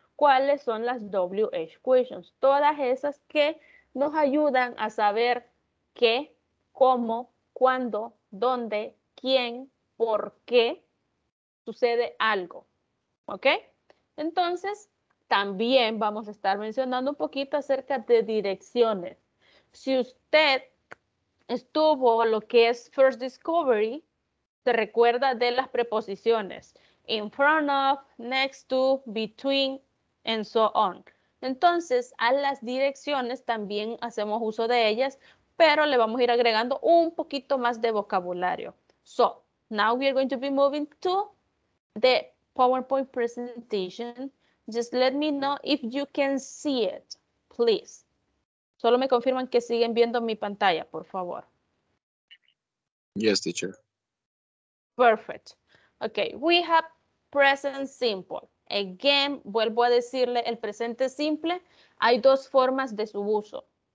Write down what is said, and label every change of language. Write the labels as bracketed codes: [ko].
[es] ¿Cuáles son las WH questions? Todas esas que nos ayudan a saber qué, cómo, cuándo, dónde, quién, por qué sucede algo. ¿Ok? Entonces, también vamos a estar mencionando un poquito acerca de direcciones. Si usted estuvo lo que es First Discovery, se recuerda de las preposiciones. [en] In front of, next to, between, and so on. [es] Entonces, a las direcciones también hacemos uso de ellas, pero le vamos a ir agregando un poquito más de vocabulario. [en] So, now we are going to be moving to the PowerPoint presentation. Just let me know if you can see it, please. [es] Solo me confirman que siguen viendo mi pantalla, por favor. [en] Yes, teacher. Perfect. Okay, we have present simple. [es] Again, vuelvo a decirle el presente simple. Hay dos formas de su uso.